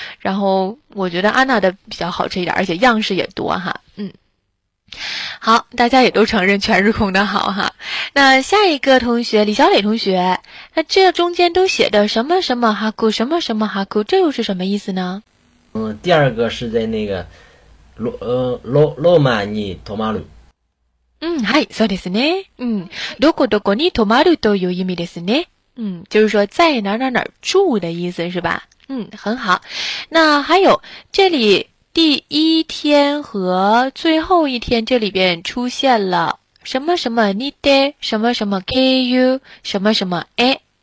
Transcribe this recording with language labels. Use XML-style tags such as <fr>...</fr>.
<zh>然后我觉得阿娜的比较好吃一点，而且样式也多哈。嗯，好，大家也都承认全日空的好哈。那下一个同学李小磊同学，那这中间都写的什么什么哈库什么什么哈库，这又是什么意思呢？第二个是在那个</zh> <ja>ローマに泊まる。はい、そうですね。どこどこに泊まるという意味ですね。</ja> <zh>就是说在哪哪哪住的意思是吧？很好。那还有这里第一天和最后一天，这里边出现了什么什么にて什么什么 KU 什么什么え。</zh>